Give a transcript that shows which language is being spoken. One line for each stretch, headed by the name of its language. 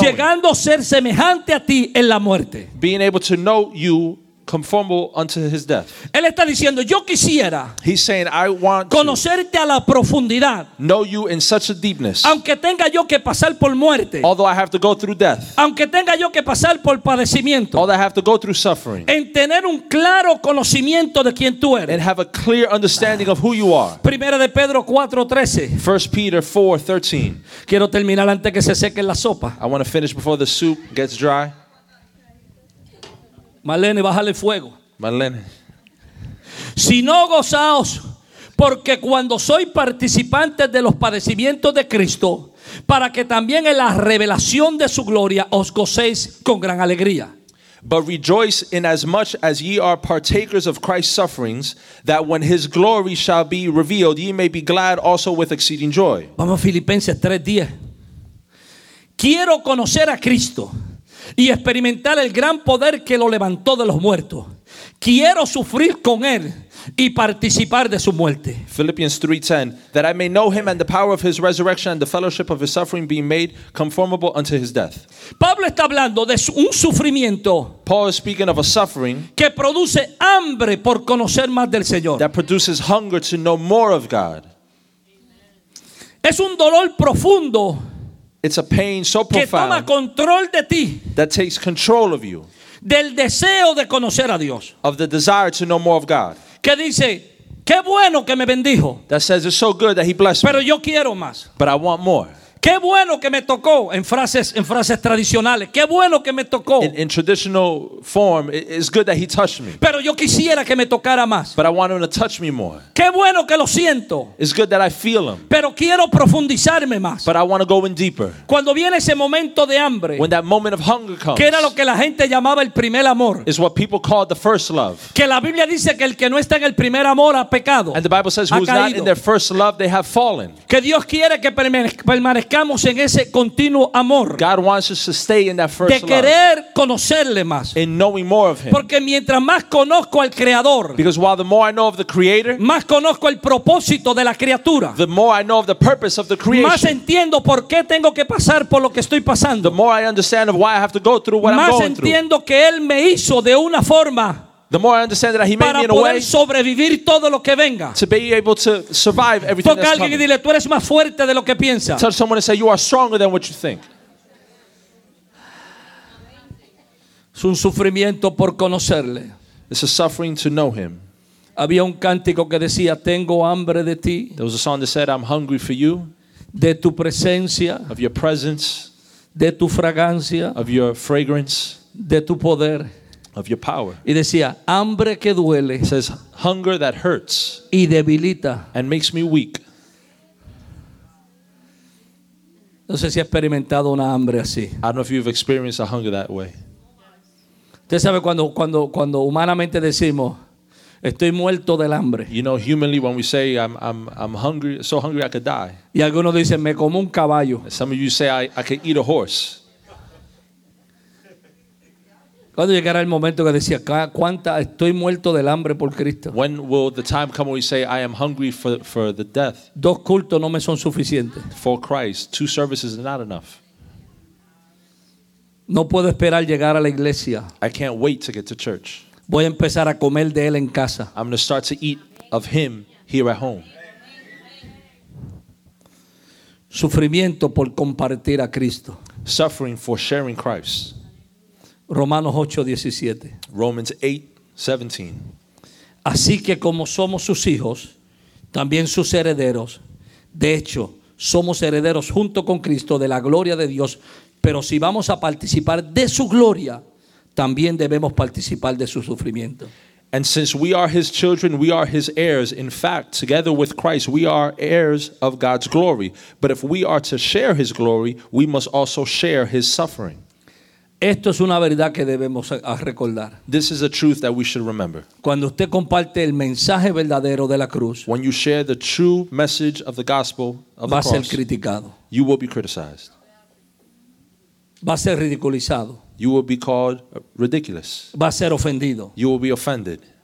Spanish: Llegando a ser semejante a ti en la muerte.
English: Being able to know you conformable unto his death.
Spanish: Él está diciendo, yo quisiera.
English: He's saying, I want
Spanish: conocerte
English: to
Spanish: a la profundidad.
English: Know you in such a deepness.
Spanish: Aunque tenga yo que pasar por muerte.
English: Although I have to go through death.
Spanish: Aunque tenga yo que pasar por padecimiento.
English: Although I have to go through suffering.
Spanish: En tener un claro conocimiento de quién tú eres.
English: And have a clear understanding of who you are.
Spanish: Primera de Pedro 4:13.
English: 1 Peter 4:13.
Spanish: Quiero terminar antes que se seque la sopa.
English: I want to finish before the soup gets dry.
Spanish: Marlene, bájale fuego.
English: Marlene.
Spanish: Si no gozaos, porque cuando soy participante de los padecimientos de Cristo, para que también en la revelación de su gloria os gocéis con gran alegría.
English: But rejoice in as much as ye are partakers of Christ's sufferings, that when his glory shall be revealed, ye may be glad also with exceeding joy.
Spanish: Vamos a Filipenses 3:10. Quiero conocer a Cristo y experimentar el gran poder que lo levantó de los muertos. Quiero sufrir con él y participar de su muerte.
English: Philippians 3:10, that I may know him and the power of his resurrection and the fellowship of his suffering being made conformable unto his death.
Spanish: Pablo está hablando de un sufrimiento.
English: Paul is speaking of a suffering
Spanish: que produce hambre por conocer más del Señor.
English: That produces hunger to know more of God.
Spanish: Es un dolor profundo.
English: It's a pain so profound
Spanish: que toma control de ti,
English: that takes control of you.
Spanish: Del deseo de conocer a Dios.
English: Of the desire to know more of God.
Spanish: Que dice, qué bueno que me bendijo.
English: That says it's so good that he blessed
Spanish: pero
English: me.
Spanish: Yo quiero más.
English: But I want more.
Spanish: Qué bueno que me tocó en frases tradicionales. Qué bueno que me tocó.
English: In traditional form, it's good that he touched me.
Spanish: Pero yo quisiera que me tocara más.
English: But I want him to touch me more.
Spanish: Qué bueno que lo siento.
English: It's good that I feel him.
Spanish: Pero quiero profundizarme más.
English: But I want to go in deeper.
Spanish: Cuando viene ese momento de hambre.
English: When that moment of hunger comes.
Spanish: Que era lo que la gente llamaba el primer amor.
English: Is what people called the first love.
Spanish: Que la Biblia dice que el que no está en el primer amor ha pecado.
English: And the Bible says who's not in their first love, they have fallen.
Spanish: Que Dios quiere que permanezca en ese continuo amor.
English: God wants us to stay in that first
Spanish: de querer
English: love,
Spanish: conocerle más.
English: In knowing more of him.
Spanish: Porque mientras más conozco al creador,
English: because while the more I know of the creator,
Spanish: más conozco el propósito de la criatura.
English: The more I know of the purpose of the creation.
Spanish: Más entiendo por qué tengo que pasar por lo que estoy pasando.
English: The more I understand of why I have to go through what
Spanish: más
English: I'm going
Spanish: entiendo
English: through.
Spanish: Que él me hizo de una forma.
English: The more I understand that he made
Spanish: para
English: me in a way
Spanish: sobrevivir todo lo que venga.
English: To be able to survive everything
Spanish: toca
English: that's coming.
Spanish: Y dile, tú eres más fuerte de lo que piensa.
English: Tell someone and say, you are stronger than what you think.
Spanish: Es un sufrimiento por conocerle.
English: It's a suffering to know him.
Spanish: Había un cántico que decía, tengo hambre de ti.
English: There was a song that said, I'm hungry for you.
Spanish: De tu presencia.
English: Of your presence.
Spanish: De tu fragancia.
English: Of your fragrance.
Spanish: De tu poder.
English: Of your power.
Spanish: Y decía, hambre que duele.
English: It says, hunger that hurts.
Spanish: Y debilita.
English: And makes me weak.
Spanish: No sé si ha experimentado una hambre así.
English: I don't know if you've experienced a hunger that way.
Spanish: Usted sabe cuando humanamente decimos, estoy muerto del hambre.
English: You know, humanly, when we say, I'm hungry, so hungry I could die.
Spanish: Y algunos dicen, me como un caballo.
English: Some of you say, I could eat a horse.
Spanish: Cuando llegará el momento que decía, cuánta estoy muerto del hambre por Cristo.
English: When will the time come when we say I am hungry for the death?
Spanish: Dos cultos no me son suficientes.
English: For Christ, two services are not enough.
Spanish: No puedo esperar llegar a la iglesia.
English: I can't wait to get to church.
Spanish: Voy a empezar a comer de él en casa.
English: I'm going to start to eat of him here at home.
Spanish: Sufrimiento por compartir a Cristo.
English: Suffering for sharing Christ.
Spanish: Romanos 8:17.
English: Romans 8:17.
Spanish: Así que como somos sus hijos, también sus herederos. De hecho, somos herederos junto con Cristo de la gloria de Dios. Pero si vamos a participar de su gloria, también debemos participar de su sufrimiento.
English: And since we are his children, we are his heirs. In fact, together with Christ, we are heirs of God's glory. But if we are to share his glory, we must also share his suffering.
Spanish: Esto es una verdad que debemos recordar.
English: This is a truth that we should remember.
Spanish: Cuando usted comparte el mensaje verdadero de la cruz,
English: when you share the true message of the gospel of
Spanish: va
English: the cross,
Spanish: ser criticado.
English: You will be criticized.
Spanish: Va a ser ridiculizado.
English: You will be called ridiculous.
Spanish: Va a ser ofendido.
English: You will be offended.